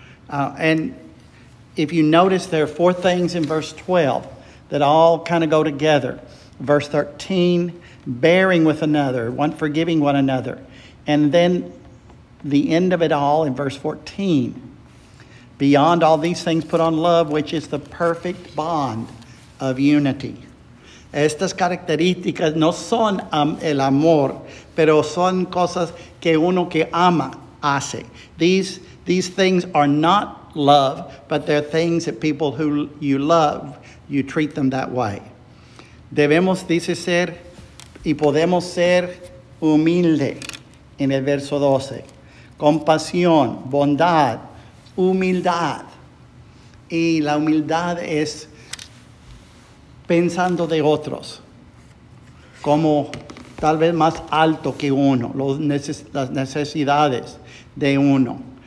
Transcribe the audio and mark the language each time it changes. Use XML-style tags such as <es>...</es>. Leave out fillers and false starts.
<en>And if you notice, there are four things in verse 12 that all kind of go together. Verse 13, bearing with another, one forgiving one another. And then the end of it all in verse 14, beyond all these things put on love, which is the perfect bond of unity.</en> <es>Estas características no son el amor, pero son cosas que uno que ama hace.</es> <en>These things are not love, but they're things that people who you love, you treat them that way.</en> <es>Debemos, dice, ser y podemos ser humilde en el verso 12. Compasión, bondad, humildad. Y la humildad es pensando de otros como tal vez más alto que uno, las necesidades de uno.</es>